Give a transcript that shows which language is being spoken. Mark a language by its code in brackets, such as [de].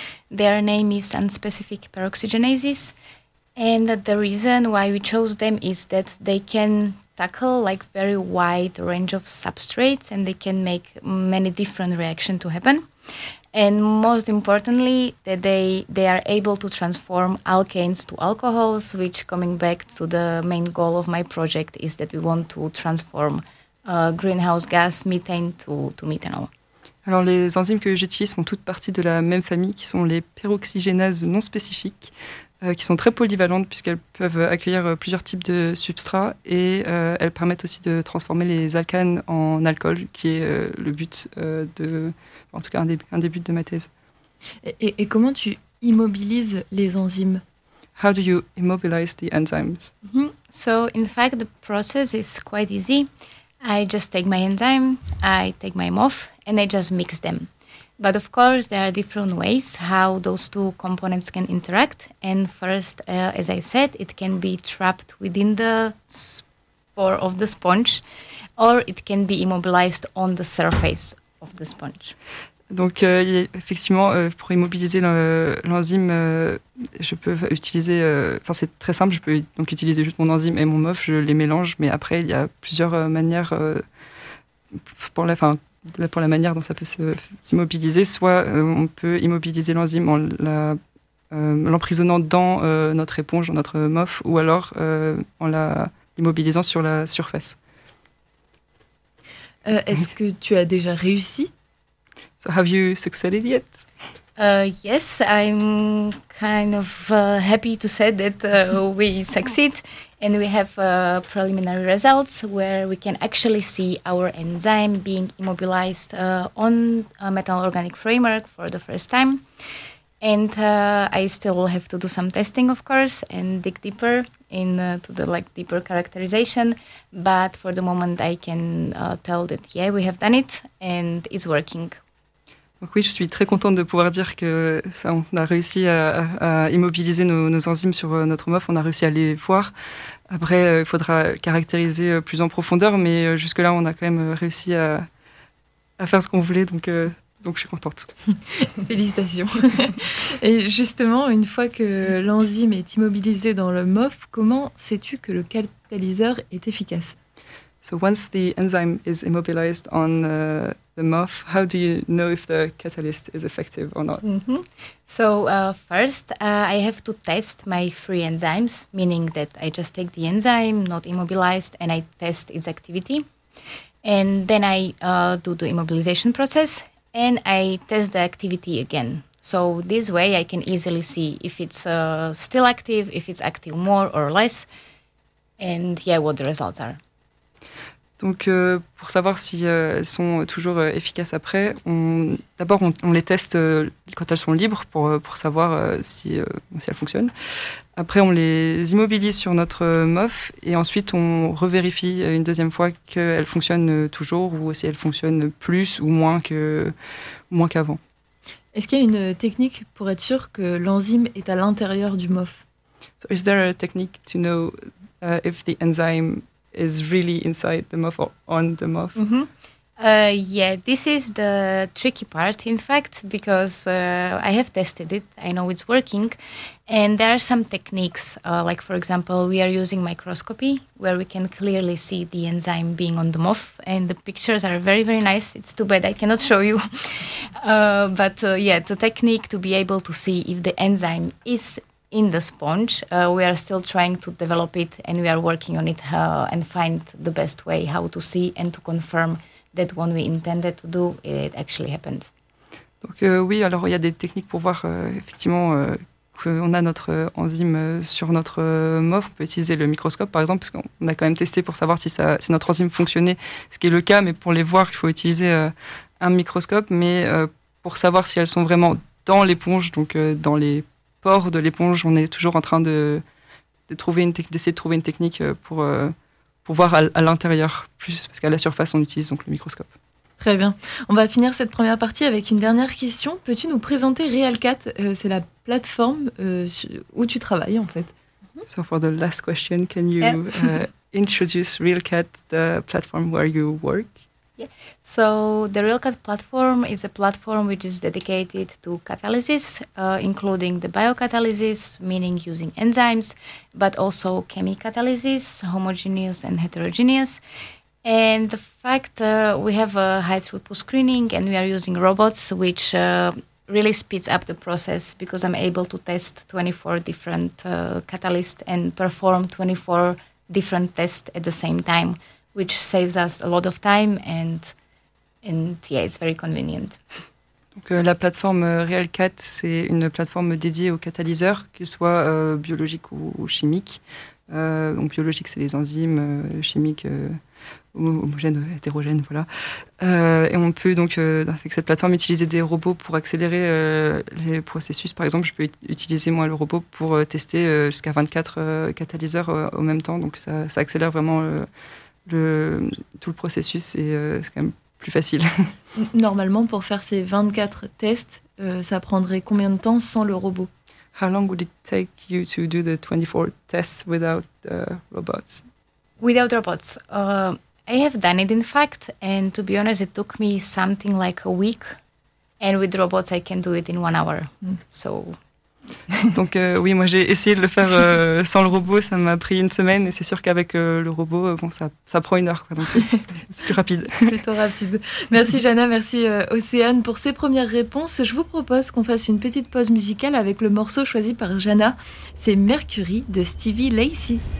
[en] Their name is unspecific peroxygenases. And the reason why we chose them is that they can tackle like very wide range of substrates and they can make many different reactions to happen. And most importantly, that they are able to transform alkanes to alcohols, which coming back to the main goal of my project is that we want to transform greenhouse gas methane to methanol. [fr] Alors les enzymes que j'utilise font toutes partie de la même famille qui sont les peroxygénases non spécifiques. Qui sont très polyvalentes puisqu'elles peuvent accueillir plusieurs types de substrats et elles permettent aussi de transformer les alcanes en alcool, qui est le but un des buts de ma thèse. Et comment tu immobilises les enzymes? [en] How do you immobilize the enzymes? Mm-hmm. So in fact the process is quite easy. I just take my enzyme, I take my MOF and I just mix them. But of course, there are different ways how those two components can interact. And first, as I said, it can be trapped within the pore of the sponge, or it can be immobilized on the surface of the sponge. [fr] Donc, effectivement, pour immobiliser l'enzyme, je peux utiliser. Enfin, c'est très simple. Je peux donc utiliser juste mon enzyme et mon MOF. Je les mélange. Mais après, il y a plusieurs manières pour la manière dont ça peut s'immobiliser, soit on peut immobiliser l'enzyme en la l'emprisonnant dans notre éponge, dans notre muff, ou alors en l'immobilisant sur la surface. Est-ce que tu as déjà réussi? [en] So have you succeeded yet? Yes, I'm kind of happy to say that we succeed and we have preliminary results where we can actually see our enzyme being immobilized on a metal organic framework for the first time. And I still will have to do some testing, of course, and dig deeper into the deeper characterization. But for the moment, I can tell that, yeah, we have done it and it's working. [fr] Donc oui, je suis très contente de pouvoir dire qu'on a réussi à immobiliser nos enzymes sur notre MOF, on a réussi à les voir. Après, il faudra caractériser plus en profondeur, mais jusque-là, on a quand même réussi à faire ce qu'on voulait, donc je suis contente. Félicitations. Et justement, une fois que l'enzyme est immobilisé dans le MOF, comment sais-tu que le catalyseur est efficace? [en] So once the enzyme is immobilized on the MOF, how do you know if the catalyst is effective or not? Mm-hmm. So first, I have to test my free enzymes, meaning that I just take the enzyme, not immobilized, and I test its activity. And then I do the immobilization process and I test the activity again. So this way I can easily see if it's still active, if it's active more or less, and yeah, what the results are. [fr] Donc, pour savoir si elles sont toujours efficaces après, on les teste quand elles sont libres pour savoir si elles fonctionnent. Après, on les immobilise sur notre MOF et ensuite on revérifie une deuxième fois qu'elles fonctionnent toujours ou si elles fonctionnent plus ou moins qu'avant. Est-ce qu'il y a une technique pour être sûr que l'enzyme est à l'intérieur du MOF? [en] So is there a technique to know if the enzyme is really inside the MOF or on the MOF? Mm-hmm. Yeah, this is the tricky part, in fact, because I have tested it. I know it's working. And there are some techniques, like, for example, we are using microscopy where we can clearly see the enzyme being on the MOF. And the pictures are very, very nice. It's too bad I cannot show you. the technique to be able to see if the enzyme is in the sponge, we are still trying to develop it and we are working on it and find the best way how to see and to confirm that what we intended to do, it actually happened. [fr] Donc oui, alors il y a des techniques pour voir effectivement qu'on a notre enzyme sur notre MOF. On peut utiliser le microscope par exemple, parce qu'on a quand même testé pour savoir si notre enzyme fonctionnait, ce qui est le cas, mais pour les voir, il faut utiliser un microscope, mais pour savoir si elles sont vraiment dans l'éponge, donc dans les pores de l'éponge, on est toujours en train d'essayer de trouver une technique pour voir à l'intérieur plus, parce qu'à la surface, on utilise donc le microscope. Très bien. On va finir cette première partie avec une dernière question. Peux-tu nous présenter RealCat? C'est la plateforme où tu travailles, en fait. [en] So for the last question, can you introduce RealCat, the platform where you work? Yeah. So the RealCat platform is a platform which is dedicated to catalysis, including the biocatalysis, meaning using enzymes, but also chemicatalysis, homogeneous and heterogeneous. And the fact we have a high throughput screening and we are using robots, which really speeds up the process because I'm able to test 24 different catalysts and perform 24 different tests at the same time, which saves us a lot of time and yeah, it's very convenient. [fr] Donc la plateforme RealCat, c'est une plateforme dédiée aux catalyseurs, qu'ils soient biologiques ou chimiques. Donc biologiques, c'est les enzymes, chimiques, homogènes, hétérogènes, voilà. Et on peut donc, avec cette plateforme, utiliser des robots pour accélérer les processus. Par exemple, je peux utiliser moi le robot pour tester jusqu'à 24 catalyseurs au même temps, donc ça accélère vraiment tout le processus et c'est quand même plus facile. Normalement, pour faire ces 24 tests, ça prendrait combien de temps sans le robot? [en] How long would it take you to do the 24 tests without robots? Without robots. I have done it, in fact, and to be honest, it took me something like a week. And with robots, I can do it in 1 hour. Mm. So, [fr] Donc oui, moi j'ai essayé de le faire sans le robot, ça m'a pris une semaine et c'est sûr qu'avec le robot, bon, ça prend une heure, quoi, donc c'est plus rapide. C'est plutôt rapide. Merci Jana, merci Océane pour ces premières réponses. Je vous propose qu'on fasse une petite pause musicale avec le morceau choisi par Jana, c'est Mercury de Stevie Lacey.